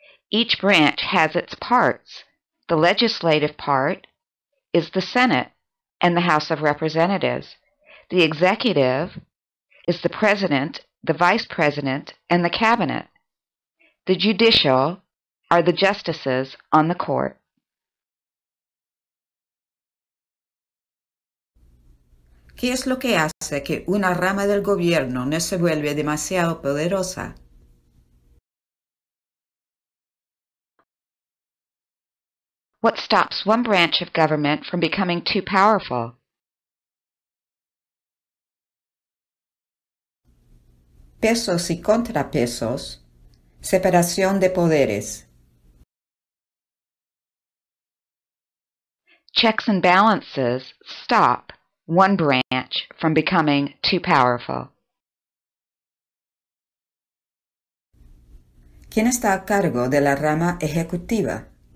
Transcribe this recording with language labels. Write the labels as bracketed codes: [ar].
[en] Each branch has its parts. The legislative part is the Senate and the House of Representatives. The executive is the President, the Vice President, and the Cabinet. The judicial are the justices on the court. [es] ¿Qué es lo que hace que una rama del gobierno no se vuelva demasiado poderosa? [en] What stops one branch of government from becoming too powerful? [es] Pesos y contrapesos, separación de poderes. [en] Checks and balances stop one branch from becoming too powerful. [es] ¿Quién está a cargo de la rama ejecutiva?